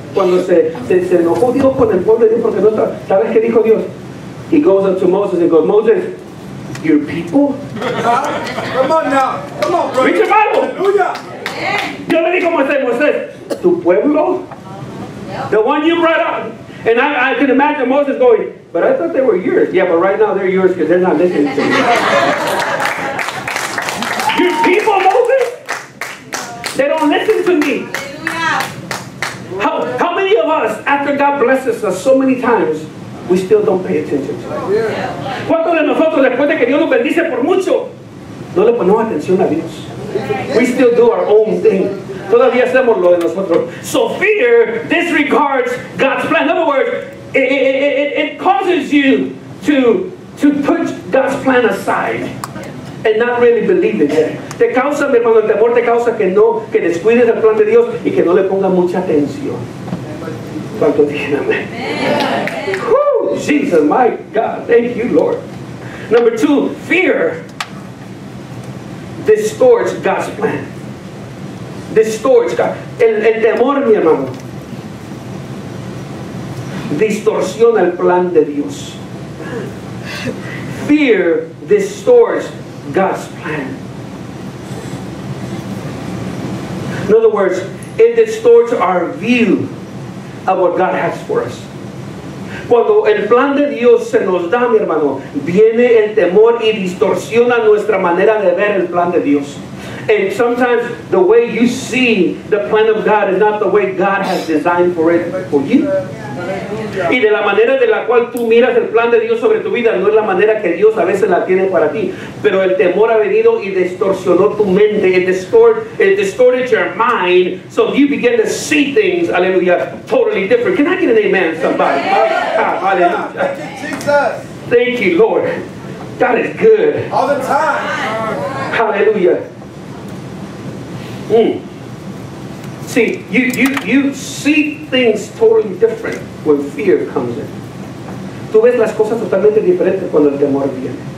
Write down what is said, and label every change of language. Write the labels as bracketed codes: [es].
[es] Cuando se enojó Dios con el pueblo de Dios porque no está. ¿Sabes qué dijo Dios? [en] He goes up to Moses and goes, Moses, your people? Come on now. Come on, bro. Read your Bible. Hallelujah. [es] Dios le dijo a Moisés, Moisés, tu pueblo? [en] The one you brought up. And I can imagine Moses going, but I thought they were yours. Yeah, but right now they're yours because they're not listening to you. Your people, Moses? They don't listen to me. Hallelujah. How many of us, after God blesses us so many times, we still don't pay attention to it? [es] ¿Cuántos de nosotros, después de que Dios nos bendice por mucho, no le ponemos atención a Dios? [en] We still do our own thing. [es] Todavía hacemos lo de nosotros. [en] So fear disregards God's plan. In other words, it causes you to put God's plan aside and not really believe in it. [es] Te causa, mi hermano, el temor te causa que no, que descuides el plan de Dios y que no le ponga mucha atención. ¿Cuánto dicen amén? [en] Jesus, my God. Thank you, Lord. Number two, fear distorts God's plan. Distorts God. [es] El temor, mi hermano, distorsiona el plan de Dios. [en] Fear distorts God's plan. In other words, it distorts our view of what God has for us. [es] Cuando el plan de Dios se nos da, mi hermano, viene el temor y distorsiona nuestra manera de ver el plan de Dios. [en] And sometimes the way you see the plan of God is not the way God has designed for it for you. [es] Y de la manera de la cual tú miras el plan de Dios sobre tu vida no es la manera que Dios a veces la tiene para ti. Pero el temor ha venido y distorsionó tu mente. [en] It distorted your mind. So you begin to see things, aleluya, totally different. Can I get an amen, somebody? Hallelujah. Thank you, Lord. God is good. All the time. Hallelujah. See, you see things totally different when fear comes in. [es] Tú ves las cosas totalmente diferentes cuando el temor viene.